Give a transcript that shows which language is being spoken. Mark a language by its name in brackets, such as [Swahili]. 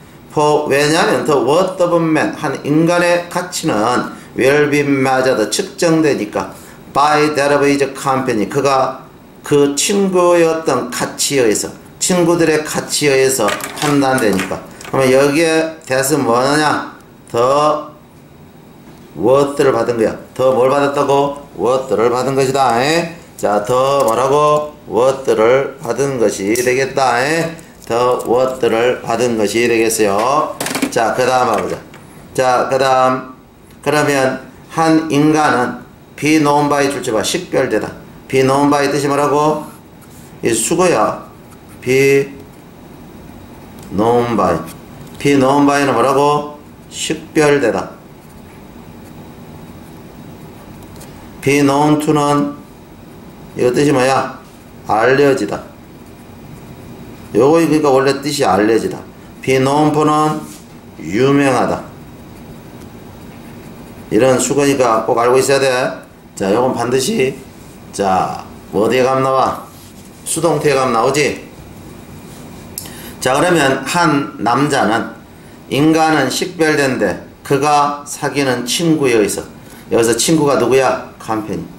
[English] for, [Korean] 왜냐하면, [English] the worth of man, [Korean] 한 인간의 가치는 [English] will be measured, [Korean] 측정되니까. [English] by that of his company, [Korean] 그가 그 친구였던 가치에 의해서, 친구들의 가치에 의해서 판단되니까. 그러면 여기에 대해서는 뭐냐? 더 worth를 받은 거야. 더 뭘 받았다고? worth를 받은 것이다. 에? 자, 더 뭐라고? worth를 받은 것이 되겠다. 에? 더 worth를 받은 것이 되겠어요. 자, 그 다음 봐보자. 자, 그 다음. 그러면, 한 인간은 [English] be known by [Korean] 줄지 마. 식별되다. be known by 뜻이 뭐라고? 이 수거야. be known by. be known by는 뭐라고? 식별되다. [English] be known to [Korean] 는 이거 뜻이 뭐야? 알려지다. 요거 그러니까 원래 뜻이 알려지다. [English] be known for [Korean] 는 유명하다. 이런 수거니까 꼭 알고 있어야 돼. 자, 요건 반드시, 자, 어디에 감 나와? 수동태에 감 나오지? 자, 그러면 한 남자는, 인간은 식별된데 그가 사귀는 친구에 의해서, 여기서 친구가 누구야? 컴패니.